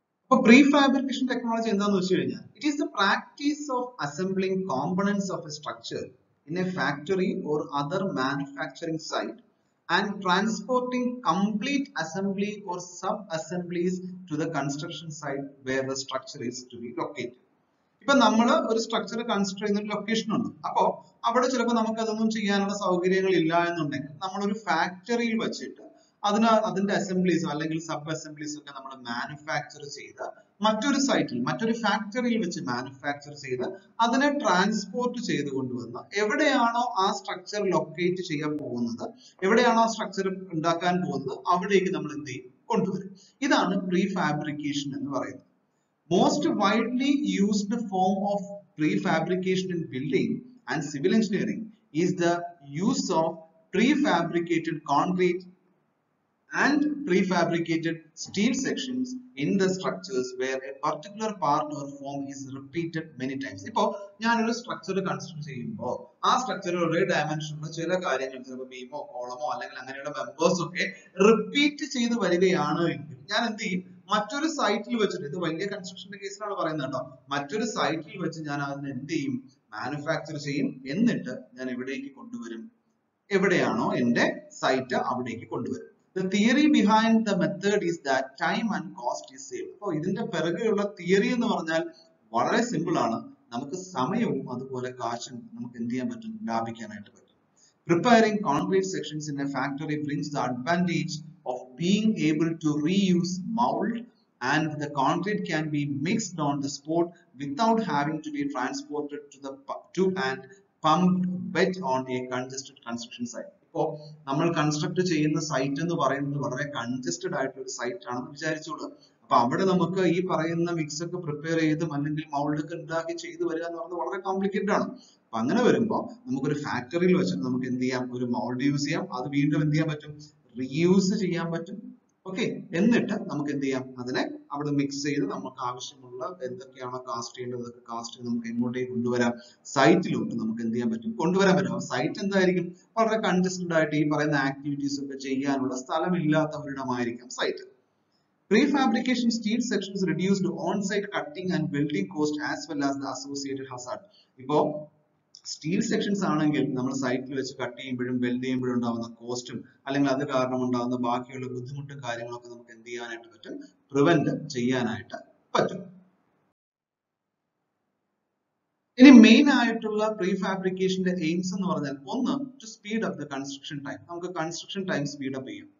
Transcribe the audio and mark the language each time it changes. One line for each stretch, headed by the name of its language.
English: For prefabrication technology, it is the practice of assembling components of a structure in a factory or other manufacturing site and transporting complete assembly or sub-assemblies to the construction site where the structure is to be located.
Malayalam: ഇപ്പൊ നമ്മൾ ഒരു structure consider ചെയ്യുന്ന location ഉണ്ട്. അപ്പോൾ അവിടെ ചിലപ്പോൾ നമുക്ക് അതൊന്നും ചെയ്യാനുള്ള സൗകര്യങ്ങൾ ഇല്ല എന്നുണ്ടെങ്കിൽ നമ്മൾ ഒരു ഫാക്ടറിയിൽ വെച്ചിട്ട് അതിന് അതിന്റെ അസംബ്ലീസ് അല്ലെങ്കിൽ സബ് അസംബ്ലീസ് ഒക്കെ നമ്മൾ മാനുഫാക്ചർ ചെയ്ത് മറ്റൊരു സൈറ്റിൽ മറ്റൊരു ഫാക്ടറിയിൽ വെച്ച് മാനുഫാക്ചർ ചെയ്ത് അതിനെ ട്രാൻസ്പോർട്ട് ചെയ്ത് കൊണ്ടുവന്ന് എവിടെയാണോ ആ സ്ട്രക്ചർ ലൊക്കേറ്റ് ചെയ്യാൻ പോകുന്നത് എവിടെയാണോ ആ സ്ട്രക്ചർ ഉണ്ടാക്കാൻ പോകുന്നത് അവിടേക്ക് നമ്മൾ എന്ത് ചെയ്യും കൊണ്ടുവരും. ഇതാണ് പ്രീ ഫാബ്രിക്കേഷൻ എന്ന് പറയുന്നത്.
English: Most widely used form of prefabrication in building and civil engineering is the use of prefabricated concrete and prefabricated steel sections in the structures where a particular part or form is repeated many times.
Malayalam: ഇപ്പോ ഞാൻ ഒരു structure construct ചെയ്യുമ്പോൾ ആ സ്ട്രക്ചറിൽ ഒരേ ഡയമെൻഷനിലുള്ള ചില കാര്യങ്ങൾ ചിലപ്പോൾ ബീമോ കോളമോ അല്ലെങ്കിൽ അങ്ങനെയുള്ള മെമ്പേഴ്സ് ഒക്കെ റിപ്പീറ്റ് ചെയ്ത് വരികയാണ് എങ്കിൽ ഞാൻ എന്ത് ചെയ്യും മറ്റൊരു സൈറ്റിൽ വെച്ചിട്ട് ഇത് വലിയ കൺസ്ട്രക്ഷന്റെ കേസിലാണ് പറയുന്നത് കേട്ടോ മറ്റൊരു സൈറ്റിൽ വെച്ച് ഞാൻ അതിന് എന്ത് ചെയ്യും മാനുഫാക്ചർ ചെയ്യും എന്നിട്ട് ഞാൻ എവിടേക്ക് കൊണ്ടുവരും എവിടെയാണോ എന്റെ സൈറ്റ് അവിടേക്ക് കൊണ്ടുവരും.
English: The theory behind the method is that time and cost is saved.
Malayalam: അപ്പോൾ ഇതിന്റെ പിറകെയുള്ള തിയറി എന്ന് പറഞ്ഞാൽ വളരെ സിമ്പിൾ ആണ്. നമുക്ക് സമയവും അതുപോലെ കാശും നമുക്ക് എന്ത് ചെയ്യാൻ പറ്റും ലാഭിക്കാനായിട്ട് പറ്റും.
English: Preparing concrete sections in a factory brings the advantage of being able to reuse mould and the concrete can be mixed on the spot without having to be transported to the and pumped wet on a congested construction site.
Malayalam: ഇപ്പോ നമ്മൾ construct ചെയ്യുന്ന site എന്ന് പറയുന്നത് വളരെ congested ആയിട്ടുള്ള site ആണെന്ന് വിചാരിച്ചോളൂ. അപ്പൊ അവിടെ നമുക്ക് ഈ പറയുന്ന മിക്സ് ഒക്കെ പ്രിപ്പയർ ചെയ്തും അല്ലെങ്കിൽ മൗൾഡ് ഒക്കെ ഉണ്ടാക്കി ചെയ്ത് വരിക എന്ന് പറയുന്നത് വളരെ കോംപ്ലിക്കേറ്റഡ് ആണ്. അപ്പൊ അങ്ങനെ വരുമ്പോ നമുക്കൊരു ഫാക്ടറിയിൽ വെച്ചിട്ട് നമുക്ക് എന്ത് ചെയ്യാം ഒരു മൗൾഡ് യൂസ് ചെയ്യാം അത് വീണ്ടും എന്ത് ചെയ്യാൻ പറ്റും റീയൂസ് ചെയ്യാൻ പറ്റും. ഓക്കെ, എന്നിട്ട് നമുക്ക് എന്ത് ചെയ്യാം അതിനെ അവിടെ മിക്സ് ചെയ്ത് നമുക്ക് ആവശ്യമുള്ള എന്തൊക്കെയാണോ കാസ്റ്റ് ചെയ്യേണ്ടത് അതൊക്കെ കാസ്റ്റ് ചെയ്ത് നമുക്ക് എങ്ങോട്ടേക്ക് കൊണ്ടുവരാം സൈറ്റിലോട്ട് നമുക്ക് എന്ത് ചെയ്യാൻ പറ്റും കൊണ്ടുവരാൻ പറ്റും. സൈറ്റ് എന്തായിരിക്കും വളരെ കൺജസ്റ്റഡ് ആയിട്ട് ഈ പറയുന്ന ആക്ടിവിറ്റീസ് ഒക്കെ ചെയ്യാനുള്ള സ്ഥലമില്ലാത്തവരിടമായിരിക്കാം site.
English: Prefabrication steel sections reduced on-site cutting and welding cost as well as the associated hazard.
Malayalam: ഇപ്പോ സ്റ്റീൽ സെക്ഷൻസ് ആണെങ്കിൽ നമ്മൾ സൈറ്റിൽ വെച്ച് കട്ട് ചെയ്യുമ്പോഴും വെൽഡ് ചെയ്യുമ്പോഴും ഉണ്ടാകുന്ന കോസ്റ്റും അല്ലെങ്കിൽ അത് കാരണം ഉണ്ടാകുന്ന ബാക്കിയുള്ള ബുദ്ധിമുട്ടും കാര്യങ്ങളൊക്കെ നമുക്ക് എന്ത് ചെയ്യാനായിട്ട് പറ്റും പ്രിവെന്റ് ചെയ്യാനായിട്ട് പറ്റും. ഇനി മെയിൻ ആയിട്ടുള്ള പ്രീ ഫാബ്രിക്കേഷന്റെ എയിംസ് എന്ന് പറഞ്ഞാൽ ഒന്ന്
English: to speed up the construction time,
Malayalam: നമുക്ക് കൺസ്ട്രക്ഷൻ ടൈം സ്പീഡ് അപ്പ് ചെയ്യാം.